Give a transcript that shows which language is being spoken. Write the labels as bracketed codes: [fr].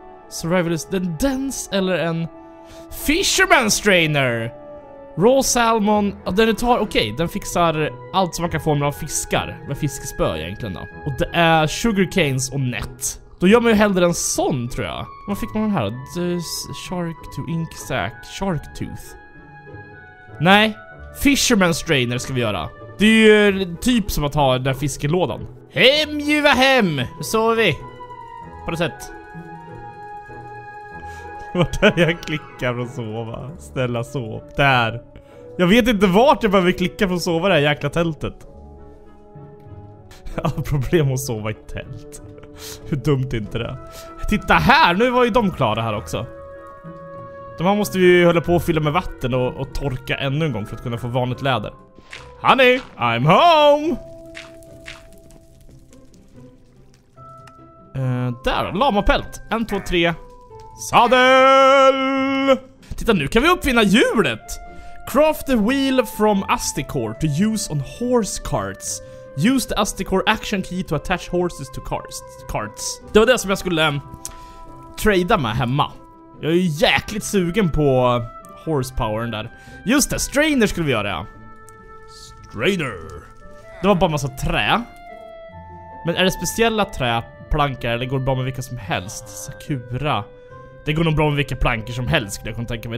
[sv] Survivalist, den dense eller en fisherman strainer. Raw salmon, den tar, okej, okay, den fixar allt som man kan få med av fiskar. Med fiskespö egentligen då. Och det är sugar canes och net. Då gör man ju hellre en sån, tror jag. Vad fick man den här? [en] Shark to ink sack, shark tooth. [sv] Nej, fisherman strainer ska vi göra. Det är ju typ som att ha den där fiskelådan. Hem, ljuva hem! Hur sover vi? På det sätt. Vart är jag klickar för att sova? Snälla, sov. Där. Jag vet inte vart jag behöver klicka för att sova i det här jäkla tältet. Jag har problem att sova i tält. Hur dumt är inte det? Titta här! Nu var ju de klara här också. De här måste vi ju hålla på att fylla med vatten och torka ännu en gång för att kunna få vanligt läder. [en] Honey! I'm home! [sv] Där, lamapält. 1, 2, 3. Sadel! Titta, nu kan vi uppfinna hjulet! [en] Craft the wheel from Asticore to use on horse carts. Use the Asticore action key to attach horses to carts. [sv] Det var det som jag skulle trada med hemma. Jag är ju jäkligt sugen på horsepoweren där. Just det, strainer skulle vi göra, ja. Strainer! Det var bara massa trä. Men är det speciella trä... plankar, det går bra med vilka som helst. Sakura. Det går nog bra med vilka plankor som helst, skulle jag kunna tänka mig.